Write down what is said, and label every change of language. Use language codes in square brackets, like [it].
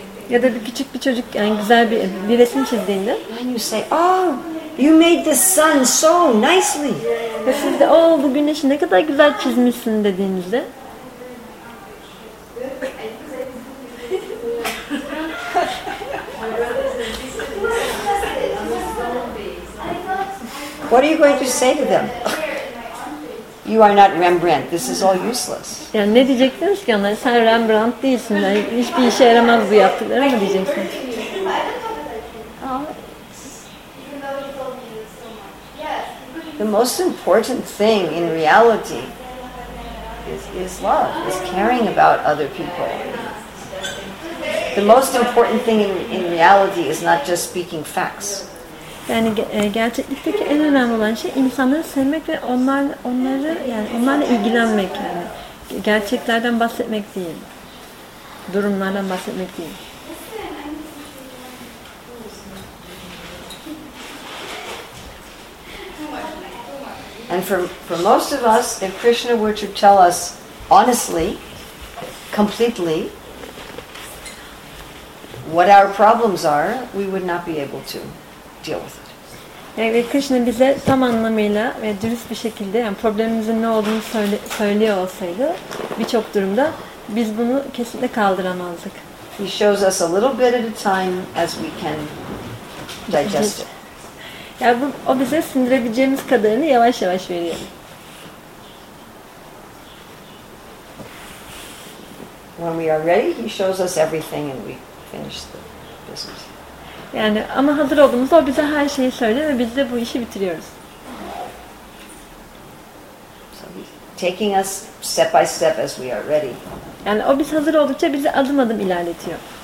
[tr] Ya da bir küçük bir çocuk yani güzel bir resim çizdiğinde. [en] And you say, "Oh, you made the sun so nicely." [tr] Ve siz de, "Oh, bu güneşi ne kadar güzel çizmişsin." dediğinizde. [en] What are you going to say to them? You are not Rembrandt. This is all useless. [tr] Ya ne diyeceksiniz ki ona? Sen Rembrandt değilsin. Hiçbir işe yaramaz bu yaptıkları mı diyeceksiniz? [en] The most important thing in reality is love, is caring about other people. The most important thing in reality is not just speaking facts. [tr] Yani gerçeklikteki en önemli olan şey insanları sevmek ve onları yani onlarla ilgilenmek yani gerçeklerden bahsetmek değil. Durumlardan bahsetmek değil. [en] And for most of us, if Krishna were to tell us honestly, completely, what our problems are, we would not be able to deal with it. [tr] Yani Krishna bize tam anlamıyla ve dürüst bir şekilde yani problemimizin ne olduğunu söylüyor olsaydı birçok durumda biz bunu kesinlikle kaldıramazdık. [en] He shows us a little bit at a time as we can digest it. [tr] Yani bu, o bize sindirebileceğimiz kadarını yavaş yavaş veriyor. [en] When we are ready, he shows us everything and we finish the business. [tr] Yani ama hazır olduğumuzda o bize her şeyi söylüyor ve biz de bu işi bitiriyoruz. [en] So taking us step by step as we are ready. [tr] Yani o biz hazır oldukça bizi adım adım ilerletiyor.